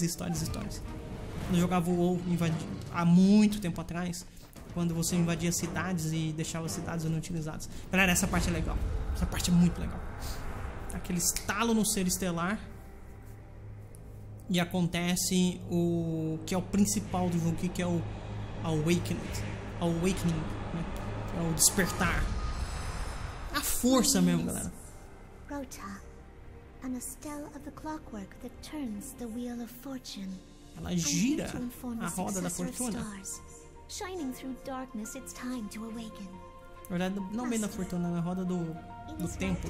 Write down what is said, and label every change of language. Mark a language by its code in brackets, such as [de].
[pt] Quando eu jogava WoW há muito tempo atrás, quando você invadia cidades e deixava cidades inutilizadas. Galera, essa parte é legal. Essa parte é muito legal. Aquele estalo no ser estelar. E acontece o que é o principal do jogo, que é o Awakening, né? Que é o despertar. A força mesmo, galera. [en] Rota, an estela of the clockwork that turns the wheel of fortune. [pt] Ela gira a roda da fortuna. [en] Shining through darkness, it's time to awaken. [pt] Na verdade, não bem da fortuna, na roda do tempo.